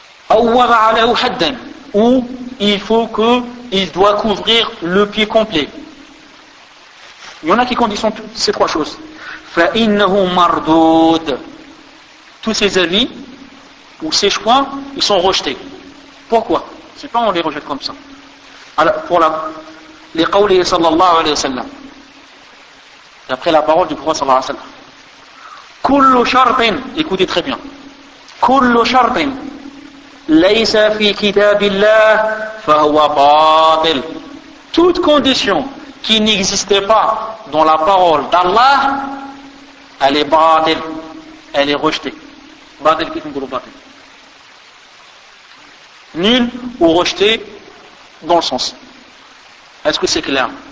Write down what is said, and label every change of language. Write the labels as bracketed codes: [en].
[ar] Aw wada'a 'alayhi haddan, [fr] ou il faut qu'il doit couvrir le pied complet. Il y en a qui conditionnent toutes ces trois choses. [ar] فَإِنَّهُ مَرْدُودٌ. [fr] Tous ces avis ou ces choix, ils sont rejetés. Pourquoi? C'est pas on les rejette comme ça. Alors, pour la, les قولي صلى الله عليه وسلم. D'après la parole du prophète صلى الله عليه وسلم. [ar] كل شرط, [fr] écoutez très bien. [ar] كل شرط ليس في كتاب الله فهو باطل. [fr] Toute condition qui n'existait pas dans la parole d'Allah, elle est badil, elle est rejetée. Badil qui est un badil. Nul ou rejeté dans le sens. Est-ce que c'est clair?